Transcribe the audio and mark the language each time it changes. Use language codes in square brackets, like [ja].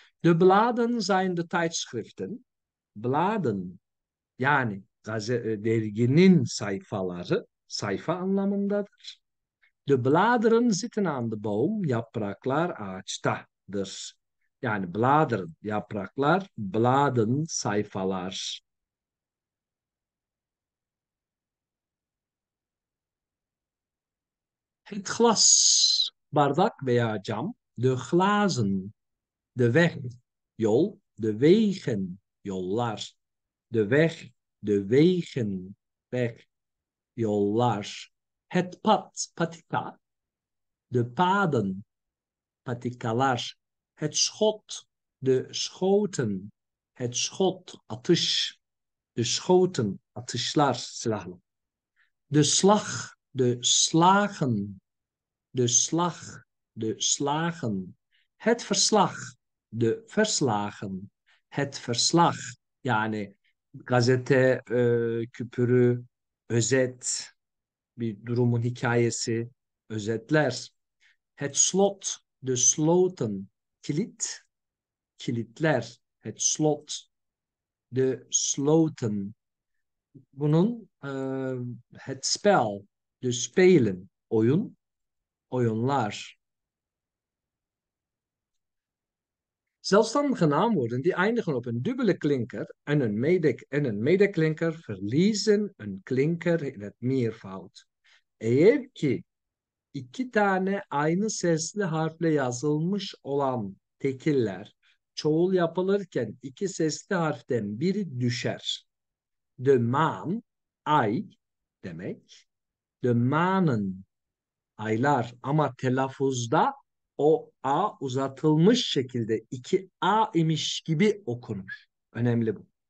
[nl] De bladen zijn de tijdschriften. [tr] Bladen, yani derginin sayfaları, sayfa anlamındadır. [nl] De bladeren zitten aan de boom, [tr] yapraklar ağaçtadır. Yani bladeren, yapraklar, bladen, sayfalar. [nl] Het glas, [tr] bardak veya cam, [nl] de glazen, de weg, yol, de wegen, yollar, de weg, de wegen, weg, yollar. Het pad, patika, de paden, patikalar. Het schot, de schoten, het schot, atış, de schoten, [tr] atışlar, silahlı. [nl] De slag, de slagen. De slag, de slagen. Het verslag, de verslagen. Het verslag, [tr] yani gazete küpürü, özet, bir durumun hikayesi, özetler. [nl] Het slot, de sloten, [tr] kilit, kilitler. [nl] Het slot, de sloten. Bunun het spel, de spelen, [tr] oyun. Oyunlar. [nl] Zelfstandige naamwoorden die eindigen op een dubbele klinker en een medeklinker verliezen een klinker in het meervoud. [tr] Eğer ki iki tane aynı sesli harfle yazılmış olan tekiller çoğul yapılırken iki sesli harften biri düşer. The man, ay demek. The manın aylar ama telaffuzda o a uzatılmış şekilde iki a imiş gibi okunur. Önemli bu.